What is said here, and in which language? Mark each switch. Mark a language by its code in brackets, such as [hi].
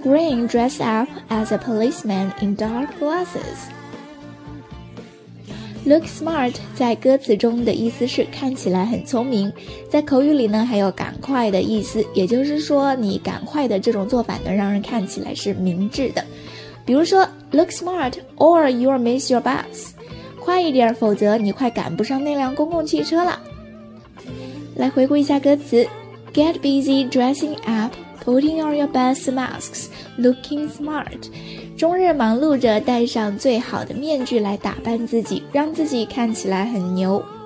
[en] Green dressed up as a policeman in dark glasses. [zh] Look smart 在歌词中的意思是看起来很聪明，在口语里呢还有赶快的意思，也就是说你赶快的这种做法能让人看起来是明智的。比如说 [en] look smart or you'll miss your bus. [zh] 快一点，否则你快赶不上那辆公共汽车了。来回顾一下歌词， [en] Get busy dressing up,Putting on your best masks, looking smart. [zh] 终日忙碌着戴上最好的面具来打扮自己，让自己看起来很牛。